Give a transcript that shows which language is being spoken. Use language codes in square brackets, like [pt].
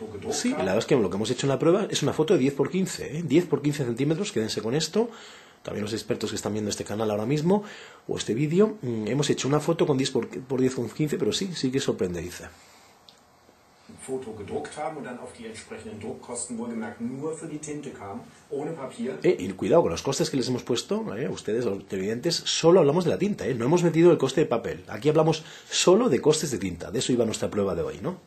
[es] Sí, la verdad es que lo que hemos hecho en la prueba es una foto de 10x15, ¿eh? 10x15 centímetros, quédense con esto. También los expertos que están viendo este canal ahora mismo o este vídeo, hemos hecho una foto con 10x15, pero sí, sí que sorprende, dice. [de] Foto gedruckt haben und dann auf die entsprechenden Druckkosten wohlgemerkt nur für die Tinte kam, ohne Papier. [es] Y cuidado con los costes que les hemos puesto, ustedes, los televidentes, solo hablamos de la tinta, no hemos metido el coste de papel. Aquí hablamos solo de costes de tinta, de eso iba nuestra prueba de hoy, ¿no?